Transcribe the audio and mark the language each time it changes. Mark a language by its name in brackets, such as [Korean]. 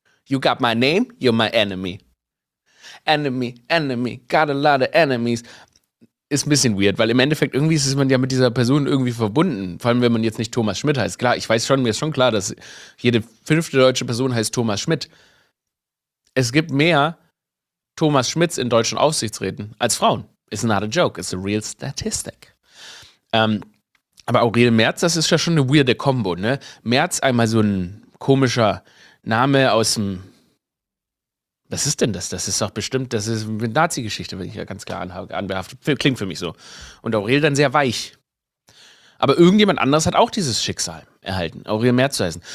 [English] You got my name, you're my enemy. Enemy, enemy, got a lot of enemies. [German] ist ein bisschen weird, weil im Endeffekt irgendwie ist man ja mit dieser Person irgendwie verbunden. Vor allem, wenn man jetzt nicht Thomas Schmidt heißt. Klar, ich weiß schon, mir ist schon klar, dass jede fünfte deutsche Person heißt Thomas Schmidt. Es gibt mehr Thomas Schmidts in deutschen Aufsichtsräten als Frauen. [English] It's not a joke, it's a real statistic. [German] Aber Aurel Merz, das ist ja schon eine weirde Kombo, ne? Merz, einmal so ein komischer Name aus dem... Was ist denn das? Das ist doch bestimmt, das ist eine Nazi-Geschichte, wenn ich ja ganz klar anbehaftet. Klingt für mich so. Und Aurel dann sehr weich. Aber irgendjemand anderes hat auch dieses Schicksal erhalten, Aurel Merz zu heißen.